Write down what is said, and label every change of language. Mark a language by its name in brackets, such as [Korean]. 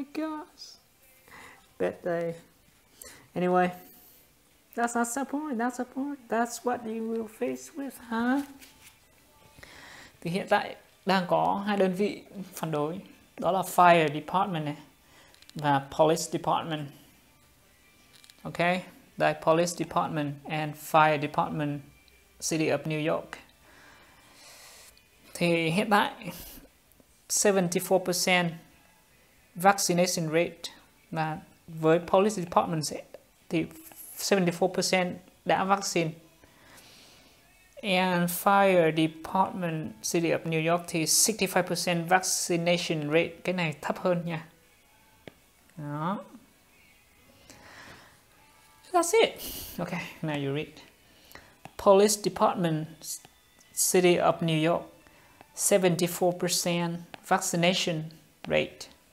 [English] my gosh. Bad day. Anyway, that's not the point. That's the point. That's what you will face with, huh? [Vietnamese] Thì hiện tại đang có hai đơn vị phản đối. Đó là Fire Department này và Police Department. [English] Okay, the Police Department and Fire Department, City of New York. [Vietnamese] Thì hiện tại 74% vaccination rate là với Police Department sẽ, thì 74% đã vaccine. [English] And Fire Department, City of New York thì 65% vaccination rate. [Vietnamese] Cái này thấp hơn nha. Đó. [English] That's it. Okay, now you read. Police Department, City of New York, 74% vaccination rate.